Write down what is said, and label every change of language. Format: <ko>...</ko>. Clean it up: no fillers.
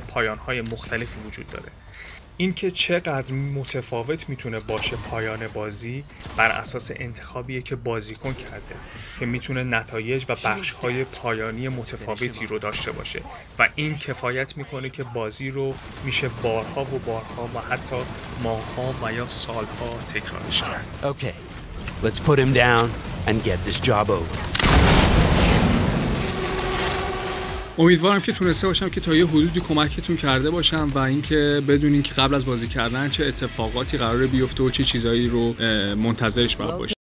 <fa>پایان‌های مختلفی وجود داره. اینکه چقدر متفاوت میتونه باشه پایان بازی بر اساس انتخابیه که بازیکن کرده که میتونه نتایج و بخش‌های پایانی متفاوتی رو داشته باشه و این کفایت میکنه که بازی رو میشه بارها و بارها و حتی ماه‌ها و یا سال‌ها تکرارش کرد.</fa> <en>Okay. Let's put him down and get this job over.</en> <fa>امیدوارم که تونسته باشم که تا یه حدودی کمکتون کرده باشم و اینکه بدونین که قبل از بازی کردن چه اتفاقاتی قراره بیفته و چه چیزایی رو منتظرش باید باشین.</fa>